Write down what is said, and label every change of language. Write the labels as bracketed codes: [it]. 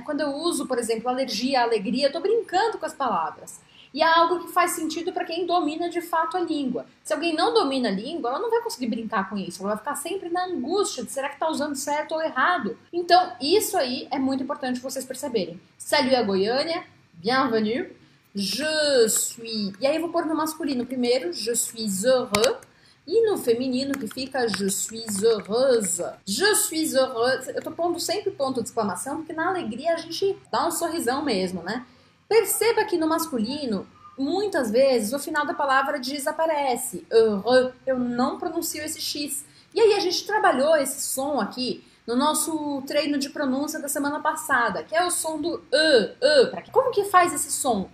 [pt] Quando eu uso, por exemplo, alergia, alegria, eu tô brincando com as palavras. E é algo que faz sentido para quem domina de fato a língua. Se alguém não domina a língua, ela não vai conseguir brincar com isso. Ela vai ficar sempre na angústia de será que está usando certo ou errado. Então, isso aí é muito importante vocês perceberem. [fr] Salut à Goiânia, bienvenue. Je suis. [pt] E aí eu vou pôr no masculino primeiro, [fr] je suis heureux. [pt] E no feminino que fica, [fr] je suis heureuse. Je suis heureuse. [pt] Eu estou pondo sempre ponto de exclamação, porque na alegria a gente dá um sorrisão mesmo, né? Perceba que no masculino, muitas vezes, o final da palavra desaparece. Eu não pronuncio esse X. E aí, a gente trabalhou esse som aqui no nosso treino de pronúncia da semana passada, que é o som do Como que faz esse som?